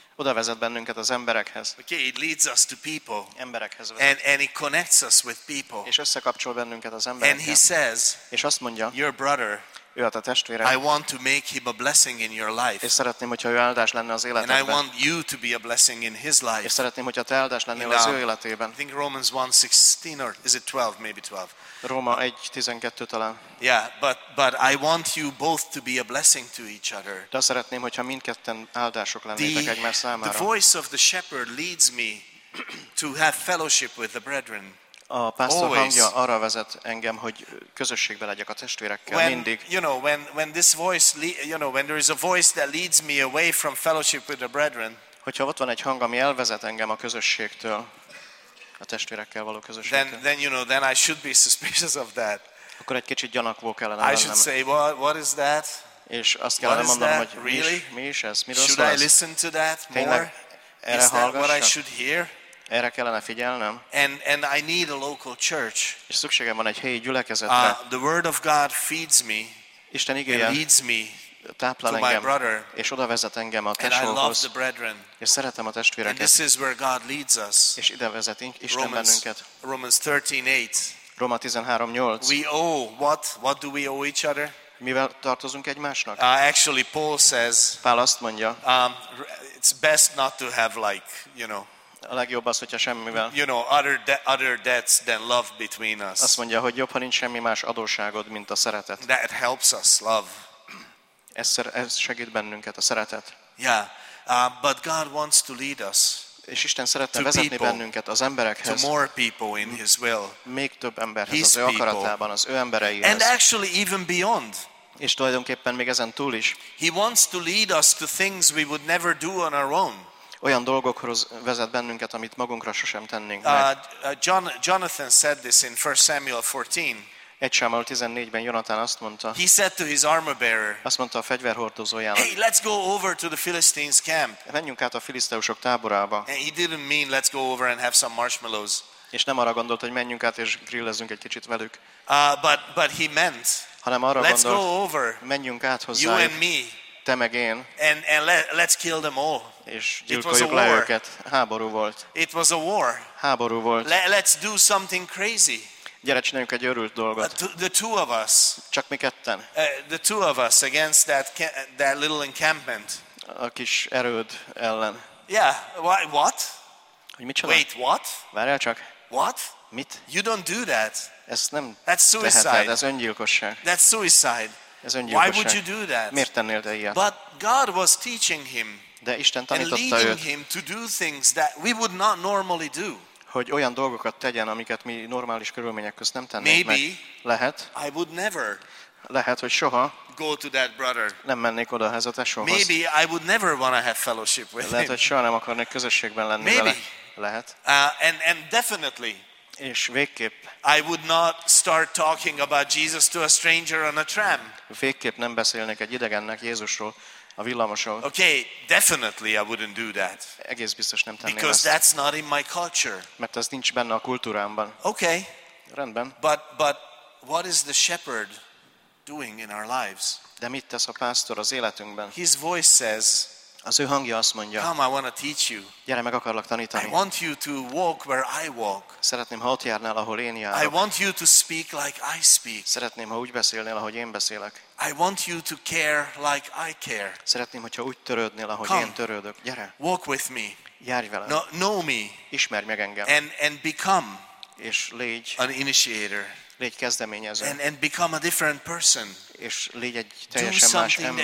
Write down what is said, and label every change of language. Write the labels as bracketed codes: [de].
[hu] Oda vezet bennünket az emberekhez. [en] Okay, it leads us to people. [hu] Emberekhez vezet. [en] And it connects us with people. [hu] És összekapcsol bennünket az emberekkel. [en] And he says, [hu] és azt mondja, [en] your brother, [hu] ő a te testvére. [en] I want to make him a blessing in your life. [hu] És szeretném, hogyha ő áldás lenne az életedben. [en] And I want you to be a blessing in his life. [hu] És szeretném, hogyha te áldás lennél az ő életében. [en] I think Romans 1:16 or is it 12? Maybe 12. [hu] Róma 1:12 talán. [en] Yeah, but I want you both to be a blessing to each other. [hu] De szeretném, hogyha mindketten áldások lennétek egymás számára. [en] The voice of the shepherd leads me to have fellowship with the brethren. [hu] A pásztor hangja arra vezet engem, hogy közösségben legyek a testvérekkel mindig. [en] You know, when this voice, you know, when there is a voice that leads me away from fellowship with the brethren. [hu] Hogyha ott van egy hang, ami elvezet engem a közösségtől, a testvérekkel való közösségtől. [en] Then you know, then I should be suspicious of that. [hu] Akkor egy kicsit gyanakvó kellene lennem. [en] I should say, what is that? [hu] És azt kellene mondanom, hogy mi is ez? Miről szól ez? [en] Should I listen to that more? [hu] Tényleg erre hallgassak? [en] What I should hear? [hu] Erre kellene figyelnem. [en] And I need a local church. [hu] És szükségem van egy helyi gyülekezetre. [en] The word of God feeds me. [hu] Isten igéje [en] leads me. [hu] Táplál engem. És oda vezet engem a tesóhoz. [en] And I love the brethren. [hu] És szeretem a testvéreket. [en] And this is where God leads us. [hu] És ide vezet Isten bennünket. [en] Romans 13:8. [hu] Róma 13:8. [en] We owe what do we owe each other? [hu] Mivel tartozunk egymásnak? [en] Actually Paul says. [hu] Pál azt mondja. [en] It's best not to have like, you know. [hu] A legjobb az, hogyha semmivel. [en] You know, other debts than love between us. [hu] Azt mondja, hogy jobb, ha nincs semmi más adósságod, mint a szeretet. [en] That helps us love. [hu] Ez segít bennünket a szeretet. [en] Yeah, but God wants to lead us. [hu] És Isten szeretne vezetni bennünket az emberekhez. [en] To more people in His will. [hu] Még több emberhez, az ő akaratában, az ő embereihez. [en] And actually even beyond. [hu] És tulajdonképpen még ezen túl is. [en] He wants to lead us to things we would never do on our own. [hu] Olyan dolgokhoz vezet bennünket, amit magunkra sosem tennénk. [en] Jonathan said this in 1 Samuel 14. [hu] 1 Samuel 14-ben Jonathan azt mondta. [en] He said to his armor bearer. [hu] Azt mondta a fegyverhordozójának. [en] Hey, let's go over to the Philistines' camp. [hu] Menjünk át a filiszteusok táborába. [en] And he didn't mean let's go over and have some marshmallows. [hu] És nem arra gondolt, hogy menjünk át és grillezzünk egy kicsit velük. [en] But he meant. [hu] Hanem arra [en] let's [hu] gondolt, [en] go over. [hu] Menjünk át hozzájuk. [en] You and me. [hu] Te meg én. [en] And let's kill them all. [hu] És gyilkoljuk le őket. Háború volt. [en] It was a war. [hu] Háború volt. [en] Let's do something crazy. [hu] Gyere, csináljunk egy örült dolgot. [en] The two of us. [hu] Csak mi ketten. [en] The two of us against that little encampment. [hu] A kis erőd ellen. [en] Yeah, why, what? [hu] Hogy mit csinál? [en] Wait, what? [hu] Várjál csak. [en] What? [hu] Mit? [en] You don't do that. [hu] Ezt nem [en] that's suicide. [hu] Teheted, ez öngyilkosság. [en] That's suicide. Why would you do that? [hu] Miért tennél te ilyet? [en] But God was teaching him. [hu] De Isten tanította őt. [en] And leading him to do things that we would not normally do. [hu] Hogy olyan dolgokat tegyen, amiket mi normális körülmények között nem tennénk meg. [en] Maybe. [hu] Lehet. [en] I would never. [hu] Lehet, hogy soha. [en] Go to that brother. [hu] Nem mennék oda ehhez a tesóhoz. [en] Maybe I would never want to have fellowship with him. [hu] Lehet, hogy soha nem akarnék közösségben lenni [en] maybe. [hu] Vele. [en] Maybe. [hu] Lehet. [en] And definitely. I would not start talking about Jesus to a stranger on a tram. [hu] Végképp nem beszélnék egy idegennek Jézusról a villamoson. [en] Okay, definitely I wouldn't do that. [hu] Egész biztos nem tenném. [en] Because that's not in my culture. [hu] Mert ez nincs benne a kultúrámban. [en] Okay. [hu] Rendben. [en] But what is the shepherd doing in our lives? [hu] De mit tesz a pásztor az életünkben? [en] His voice says. [hu] Az ő hangja azt mondja. [en] Come, I want to teach you. [hu] Gyere, meg akarlak tanítani. [en] I want you to walk where I walk. [hu] Szeretném, ha ott járnál, ahol én járok. [en] I want you to speak like I speak. [hu] Szeretném, ha úgy beszélnél, ahogy én beszélek. [en] I want you to care like I care. [hu] Szeretném, hogyha úgy törődnél, ahogy [en] Come. [hu] Én törődök. Gyere. [en] Walk with me. [hu] Járj velem. [en] Know me. [hu] Ismerj meg engem. [en] And become. [hu] És légy. [en] An initiator. [hu] Légy kezdeményező. [en] And become a different person. [hu] És légy egy teljesen más ember.